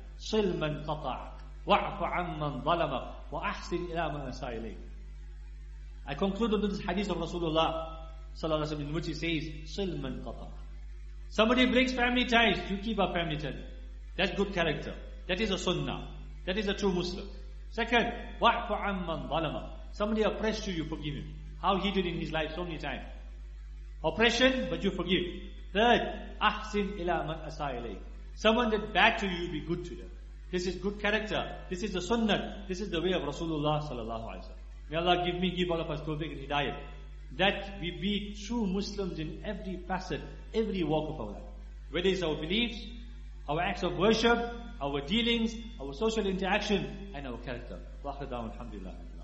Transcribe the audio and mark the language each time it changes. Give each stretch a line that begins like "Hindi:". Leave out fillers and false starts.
Arabic: صِلْ مَنْ قَطَعْكَ وَعْفَ عَمَّنْ ظَلَمَكَ وَأَحْسِنْ إِلَى مَنْ أَسَى إِلَيْكَ.
English: I conclude with this hadith of Rasulullah sallallahu alaihi wasallam, in which he says,
Arabic: صِلْ مَنْ قَطَعْكَ.
English: Somebody breaks family ties, you keep our family ties. That's good character. That is a sunnah. That is a true Muslim. Second,
Arabic: وَعْفَ عَمَّنْ ظَلَمَكَ.
English: Somebody oppressed you, you forgive him. How he did in his life so many times. Oppression, but you forgive. Third,
Arabic: أَحْسِنْ إِلَى مَنْ أَسَى إِلَيْكَ.
English: Someone did bad to you, you be good to them. This is good character. This is the sunnah. This is the way of Rasulullah sallallahu alaihi wasallam. May Allah give all of us tawfiq and hidayah, that we be true Muslims in every facet, every walk of our life. Whether it's our beliefs, our acts of worship, our dealings, our social interaction, and our character.
Arabic: وَأَخْرَ دَعْوَانَا الْحَمْدُ لِلَّهِ.